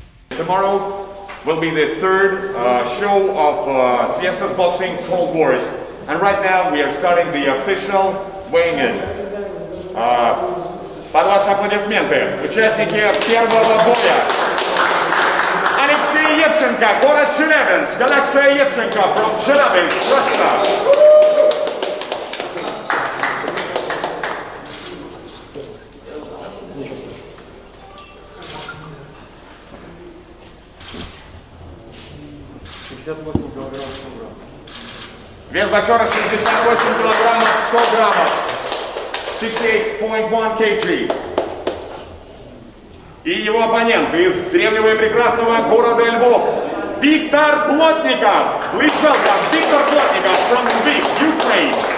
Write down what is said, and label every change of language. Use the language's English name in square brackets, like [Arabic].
[English] tomorrow will be the third show of CS's boxing, Cold Wars. And right now we are starting the official weighing-in. [Russian] Под ваши аплодисменты, участники первого боя. Алексей Евченко, город Челябинск. Алексей Евченко [English] from Челябинск, Russia. [Russian] Вес боксера 68 килограммов, 100 граммов. 68.1 kg. И его оппонент из древнего и прекрасного города Львов. Виктор Плотников. [English] Please welcome Виктор Плотников from Lviv, Ukraine.